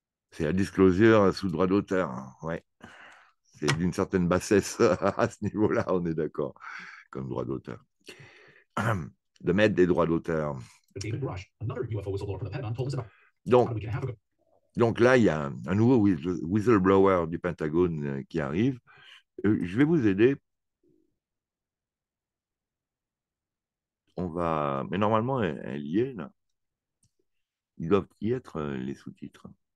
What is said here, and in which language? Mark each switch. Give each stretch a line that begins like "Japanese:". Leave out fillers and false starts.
French: C'est la disclosure sous droit d'auteur, hein, ouais. C'est d'une certaine bassesse à ce niveau-là, on est d'accord, comme droit d'auteur. De mettre des droits d'auteur.
English: David Rush, another UFO whistleblower from the Pentagon, told us about how
French: Donc,
English: we can have a go.
French: Là, il y a un nouveau whistleblower du Pentagone qui arrive. Je vais vous aider. On va. Mais normalement, elle y est, là. Ils doivent y être, les sous-titres.